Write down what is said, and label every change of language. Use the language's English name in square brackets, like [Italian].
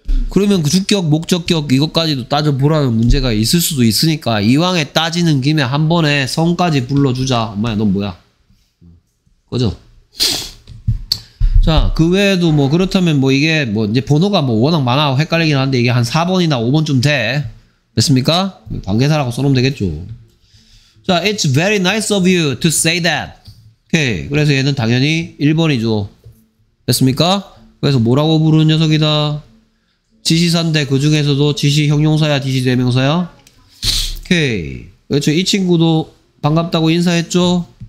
[Korean] 그러면 그 주격, 목적격 이것까지도 따져보라는 문제가 있을 수도 있으니까 이왕에 따지는 김에 한 번에 성까지 불러주자. 엄마야 넌 뭐야? 꺼져. 자, 그 외에도 뭐 그렇다면 뭐 이게 뭐 이제 번호가 뭐 워낙 많아 헷갈리긴 한데 이게 한 4번이나 5번쯤 돼. 됐습니까? 관계사라고 써놓으면 되겠죠. 자, [English] It's very nice of you to say that. [Korean] 오케이. 그래서 얘는 당연히 1번이죠. 됐습니까? 그래서 뭐라고 부르는 녀석이다? 지시사인데 그 중에서도 지시 형용사야 지시 대명사야? 오케이. 그렇죠. 이 친구도 반갑다고 인사했죠?